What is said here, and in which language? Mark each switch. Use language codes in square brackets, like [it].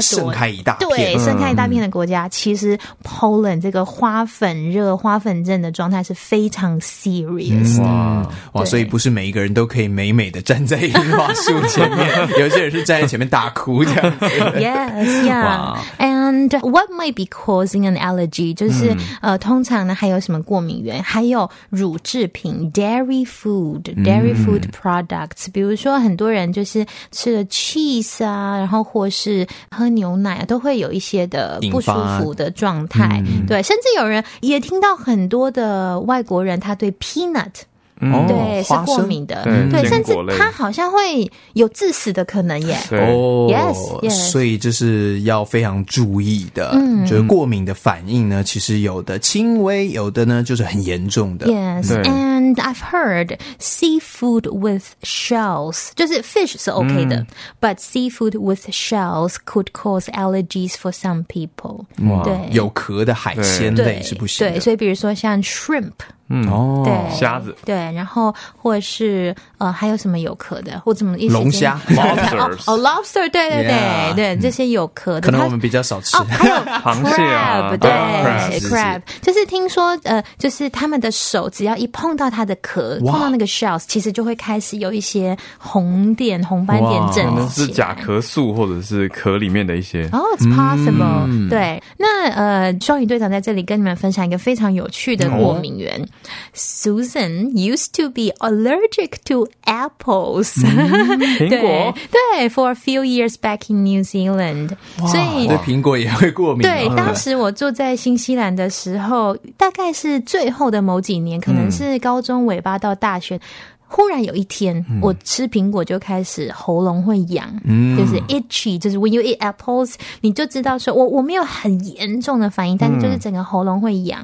[zh] 盛开一大片，对，盛开一大片的国家，其实这个花粉热花粉症的状态是非常 serious 的。哇，所以不是每一个人都可以美美的站在樱花树前面，有些人是站在前面大哭这样子。 [en] Yes, yeah. And what might be causing an allergy? [zh] 就是通常呢还有什么过敏源？还有乳制品 [en] dairy food products。 [zh] 比如说很多人就是吃了 cheese 啊，然后或是喝牛奶啊，都会有一些的不舒服的状态。对，甚至有人也听到很多的外国人他对 peanut，对，是过敏的，对，甚至他好像会有致死的可能耶。 [en] Yes, [zh] 所以就是要非常注意的，就是过敏的反应呢，其实有的轻微，有的呢就是很严重的。 [en] Yes, and I've heard seafood with shells, [zh] 就是 fish 是 OK 的， [en] but seafood with shells could cause allergies for some people。 [zh] 对，有壳的海鲜类是不行的。对，所以比如说像 shrimp。对，虾子，对，然后或是还有什么有壳的，我怎么一时龙虾 [en] lobsters [zh] 哦 lobster 对对对 yeah, 对，这些有壳的可能我们比较少吃，还有螃蟹啊，对 crab， 就是听说就是他们的手只要一碰到它的壳，碰到那个 shells， 其实就会开始有一些红点红斑点整起来，可能是甲壳素或者是壳里面的一些哦 [en] it's possible。 [zh] 对，那双鱼队长在这里跟你们分享一个非常有趣的过敏源。 [en] Susan used to be allergic to apples. [zh] 苹果 [en] 对 for a few years back in New Zealand. [zh] 哇所以对苹果也会过敏、啊、对当时我住在新西兰的时候大概是最后的某几年可能是高中尾巴到大学、嗯忽然有一天、嗯、我吃苹果就开始喉咙会痒、嗯、就是 itchy 就是 [en] when you eat apples [zh] 你就知道说我没有很严重的反应、嗯、但就是整个喉咙会痒